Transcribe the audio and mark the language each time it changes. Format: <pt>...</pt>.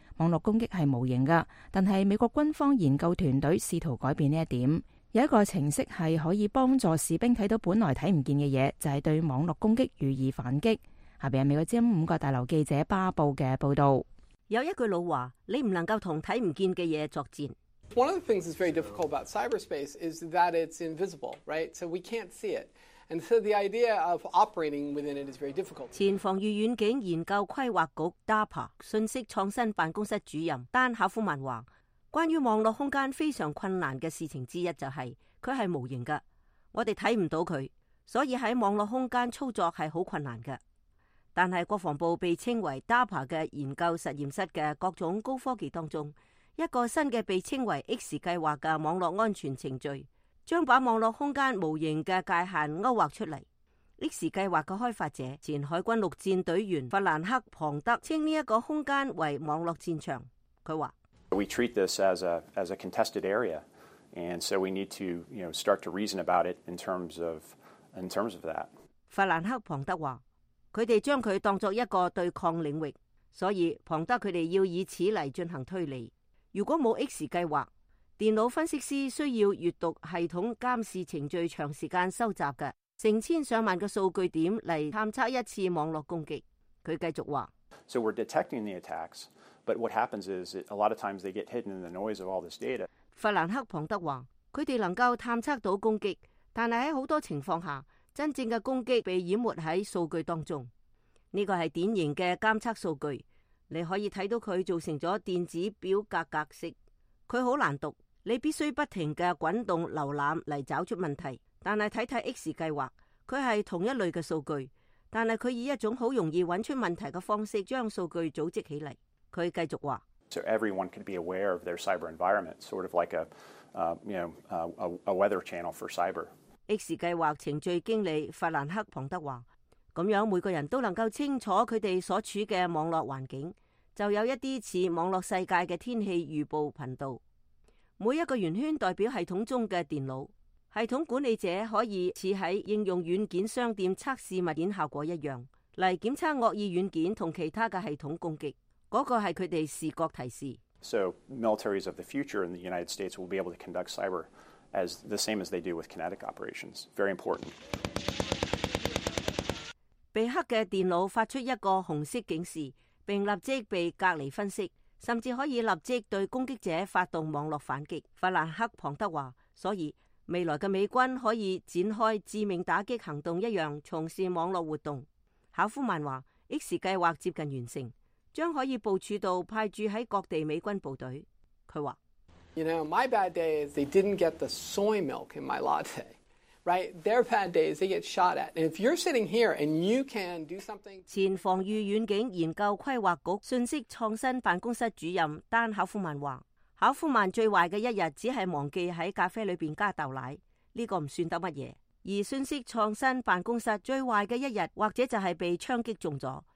<zh>网络攻击是无形的，但是美国军方研究团队试图改变这一点。有一个程式是可以帮助士兵看到本来看不见的东西，就是对网络攻击予以反击。下面是美国之音五角大楼记者巴布的报道。有一句老话，你不能够同看不见的东西作战。</zh> <en>One of the things that's very difficult about cyberspace is that it's invisible, right? So we can't see it. And so the idea of operating within it is very difficult.</en> <zh>前防御远景研究规划局 DARPA 信息创新办公室主任丹考夫曼说，关于网络空间非常困难的事情之一就是它是无形的，我们看不到它，所以在网络空间操作是很困难的。但是国防部被称为 DARPA 的研究实验室的各种高科技当中，一个新的被称为 X 计划的网络安全程序将把网络空间无形的界限勾画出来。 X 计划的开发者前海军陆战队员弗兰克庞德称这个空间为网络战场。他说，</zh> <en>We treat this as a contested area, and so we need to, you know, start to reason about it in terms of that.</en> <zh>弗兰克庞德说，他们将它当作一个对抗领域，所以庞德他们要以此来进行推理。如果没有 X 计划，电脑分析师需要阅读系统监视程序长时间收集的成千上万的数据点来探测一次网络攻击。他继续说，</zh> <en>So we're detecting the attacks, but what happens is a lot of times they get hidden in the noise of all this data.</en> <zh>弗兰克庞德说，他们能够探测到攻击，但是在很多情况下真正的攻击被淹没在数据当中。这个是典型的监测数据，你可以看到它造成了电子表格格式，它很难读，你必须不停的滚动浏览来找出问题。但是看看 X 计划，它是同一类的数据，但是它以一种很容易找出问题的方式将数据组织起来。它继续说，</zh> <en>So everyone can be aware of their cyber environment, sort of like a weather channel for cyber.</en> <zh>X 计划程序经理弗兰克庞德说，这样每个人都能够清楚他们所处的网络环境，就有一些似网络世界的天气预报频道。每一个圆圈代表系统中的电脑，系统管理者可以似在应用软件商店测试物件效果一样，来检测恶意软件和其他的系统攻击。那个是他们视觉提示。</zh> <en>So, militaries of the future in the United States will be able to conduct cyber as the same as they do with kinetic operations. Very important.</en> <zh>被黑的电脑发出一个红色警示，并立即被隔离分析，甚至可以立即对攻击者发动网络反击。弗兰克庞德说，所以未来的美军可以展开致命打击行动一样从事网络活动。考夫曼说， X 计划接近完成，将可以部署到派驻在各地美军部队。他说，</zh> <en>You know, my bad day is they didn't get the soy milk in my latte. Right, their bad days, they get shot at. And if you're sitting here and you can do something.</en> <zh>前防御远景研究规划局信息创新办公室主任丹考夫曼说，考夫曼最坏的一日只是忘记在咖啡里面加豆奶，这个不算得什么。而讯息创新办公室最坏的一日或者就是被枪击中了。</zh>